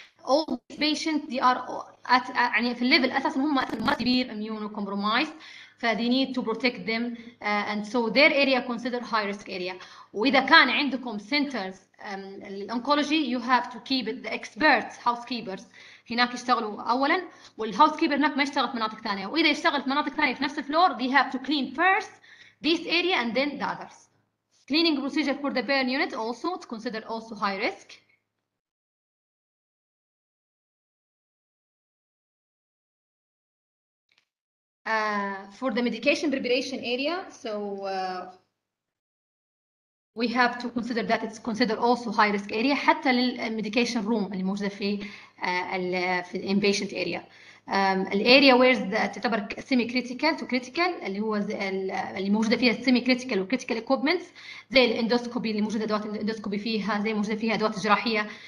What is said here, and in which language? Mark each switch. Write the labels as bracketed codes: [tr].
[en] All these patients, they are at [ar] يعني في الليفل أساسا هم أساسا [en] severe immunocompromised. فthey need to protect them and so their area considered high risk area. [ar] وإذا كان عندكم [en] centers oncology, you have to keep it the experts, housekeepers. [ar] هناك يشتغلوا أولا والhousekeeper هناك ما يشتغل في مناطق ثانية. وإذا يشتغل في مناطق ثانية في نفس الفلور, [en] they have to clean first. This area and then the others. Cleaning procedure for the burn unit also, it's considered also high risk. for the medication preparation area, so we have to consider that it's considered also high risk area. [ar] حتى للmedication room اللي موجودة في في inpatient area. [en] The area where the [ar] تعتبر semi critical to critical اللي هو اللي موجودة فيها semi critical و critical equipments زي الاندوسكوبي اللي موجودة أدوات الاندوسكوبي فيها زي موجودة فيها أدوات جراحية.